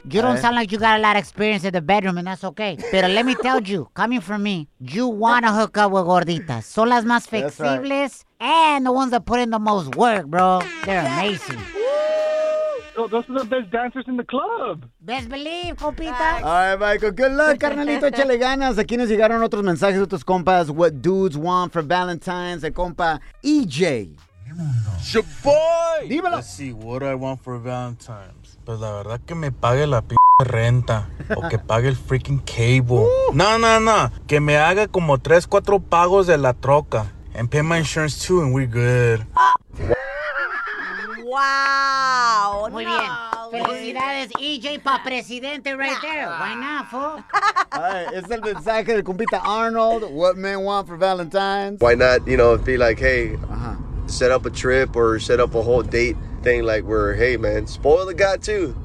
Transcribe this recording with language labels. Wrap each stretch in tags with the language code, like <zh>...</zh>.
<en>You don't sound like you got a lot of experience in the bedroom, and that's okay. But let me tell you, coming from me, you want to hook up with gorditas.</en> <es>Son las más flexibles.</es> <en>And the ones that put in the most work, bro. They're amazing. Woo! Oh, those are the best dancers in the club. Best believe, compita. All right, Michael. Good luck, carnalito.</en> <es>Échale ganas. Aquí nos llegaron otros mensajes de otros compas.</es> <en>What dudes want for Valentine's.</en> <es>El compa EJ.</es> <en>Shaboy.</en> <es>Dímelo.</es> <en>Let's see what I want for Valentine's.</en> <es>Pues la verdad que me pague la renta o que pague el freaking cable. No. Que me haga como 3-4 pagos de la troca.</es> <en>And pay my insurance too, and we're good. Wow.</en> <es>Muy bien. Felicidades, EJ, pa' presidente</es> <en>right there. Why not, fool? All right,</en> <es>es el mensaje del compita Arnold.</es> <en>What men want for Valentine's. Why not, you know, be like, hey, set up a trip or set up a whole date thing, like where, hey, man, spoil the guy too.</en>